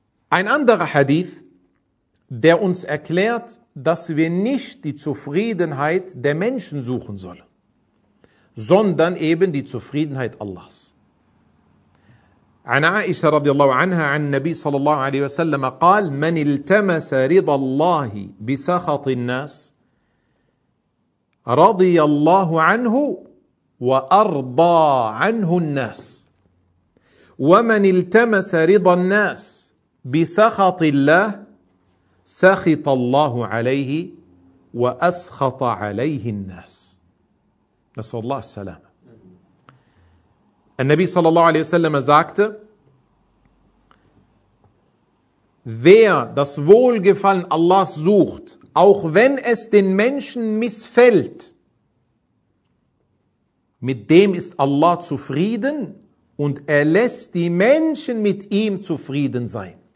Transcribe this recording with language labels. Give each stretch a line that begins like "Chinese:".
German: Ein anderer Hadith, der uns erklärt, dass wir nicht die Zufriedenheit der Menschen suchen sollen, sondern eben die Zufriedenheit Allahs.
Arabic: An Aisha radiallahu anha, an Nabi sallallahu alaihi wa sallam, قال, من التمس رضا الله بسخط الناس رضي الله عنه وأرضى عنه الناس ومن التمس رضا الناس بسخط الله سخط الله عليه وأسخط عليه الناس نسأل الله السلامة. النبي صلى الله عليه وسلم
German: sagte, wer das Wohlgefallen Allahs sucht, auch wenn es den Menschen missfällt, mit dem ist Allah zufrieden und er lässt die Menschen mit ihm zufrieden sein.